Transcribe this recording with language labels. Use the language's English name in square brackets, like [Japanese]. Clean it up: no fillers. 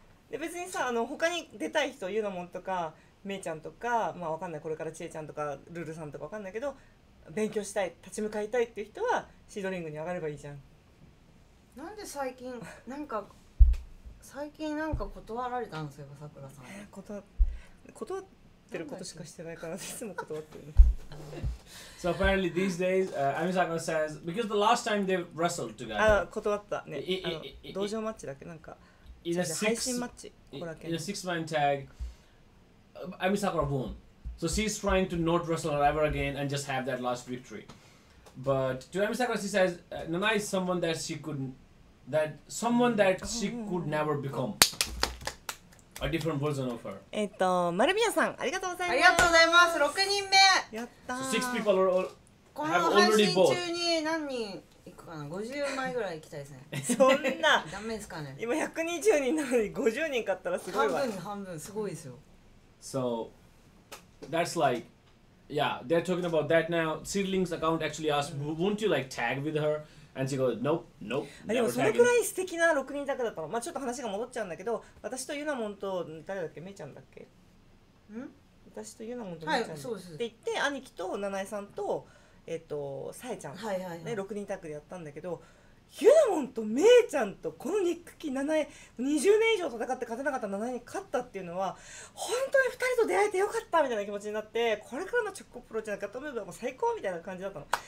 [Japanese] で別にさ、あの他に出たい人、ユノモンとかメイちゃんとか、まあ、わかんない、これからチエちゃんとかルルさんとかわかんないけど、勉強したい、立ち向かいたいっていう人はシードリングに上がればいいじゃん。なんで最近なんか最近なんか断られたんですよ、さくらさん。断ってることしかしてないから、いつも断ってる。 [English] So apparently these days, Ami Sakura says because the last time they wrestled together, [Japanese] 断ったね、道場マッチだっけ、なんか。 [English] In a six-man tag, Ami Sakura won. So she's trying to not wrestle her ever again and just have that last victory. But to Ami Sakura, she says Nanai is someone that she could never become. A different version of her. Marubio-san, thank you. Thank you. Six people have already bought. How many people are going to go? [Japanese] かな、50枚ぐらい行きたいですね。そんなダメですかね。今120人なのに50人買ったらすごいわ。半分すごいですよ。 [English] So that's like, yeah, they're talking about that now. Seedling's account actually asked, won't you like tag with her? And she goes, nope, nope. [Japanese] でもそれくらい素敵な6人だけだったの。まあちょっと話が戻っちゃうんだけど、私とユナモンと誰だっけ、メイちゃんだっけ？ん？私とユナモンとメイちゃん、はい、そうです。って言って兄貴とナナエさんとサエちゃん、はいはいはい、ね、6人タッグでやったんだけど、ユナモンとメイちゃんとこの憎きナナエ、20年以上戦って勝てなかったナナエに勝ったっていうのは本当に2人と出会えてよかったみたいな気持ちになって、これからのチョコプロチャーガトムーブはもう最高みたいな感じだったの。